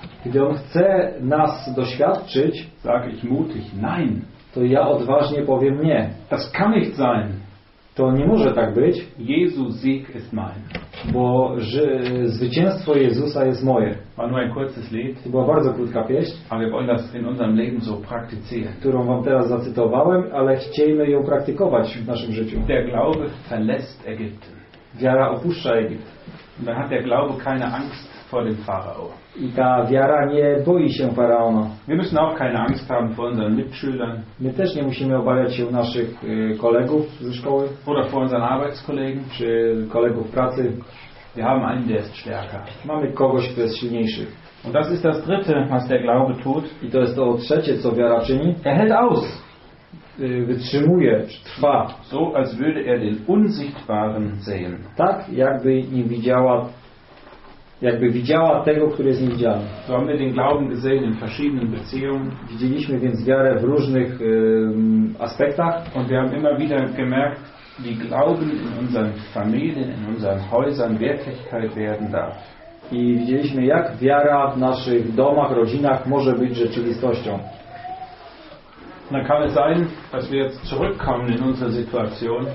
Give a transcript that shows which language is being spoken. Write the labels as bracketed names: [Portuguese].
[Polish] gdy on chce nas doświadczyć, [German] sag ich mutig nein, [Polish] to ja odważnie powiem nie. [German] Das kann nicht sein. [Polish] To nie może tak być. [German] Jesus Sieg ist mein. [Polish] Bo zwycięstwo Jezusa jest moje. [German] War nur ein kurzes Lied. [Polish] To była bardzo krótka pieśń. [German] Aber wir wollen das in unserem Leben so praktizieren. [Polish] Którą wam teraz zacytowałem, ale chcielibyśmy ją praktykować w naszym życiu. [German] Der Glaube verlässt Ägypten. [Polish] Wiara opuszcza Egipt. [German] Und dann hat der Glaube keine Angst vor dem Pharao. [Polish] I ta wiara nie boi się Faraona. [German] Wir müssen auch keine Angst haben vor unseren Mitschülern. [Polish] My też nie musimy obawiać się naszych kolegów ze szkoły. [German] Oder vor unseren Arbeitskollegen. [Polish] Czy kolegów pracy. [German] Wir haben einen, der ist stärker. [Polish] Mamy kogoś, kto jest silniejszy. [German] Und das ist das dritte, was der Glaube tut. [Polish] I to jest to trzecie, co wiara czyni. [German] Er hält aus. [Polish] Wytrzymuje, trwa. [German] So als würde er den Unsichtbaren sehen. [Polish] Tak, jakby nie widziała. Jakby widziała tego, który jest niewidzialny. [German] So haben wir den Glauben gesehen in verschiedenen Beziehungen. [Polish] Widzieliśmy więc wiarę w różnych aspektach. [German] Und wir haben immer wieder gemerkt, wie Glauben in unseren Familien, in unseren Häusern Wirklichkeit werden darf. [Polish] I widzieliśmy, jak wiara w naszych domach, rodzinach może być rzeczywistością. [German] Dann kann es sein, dass wir jetzt zurückkommen in unsere Situation.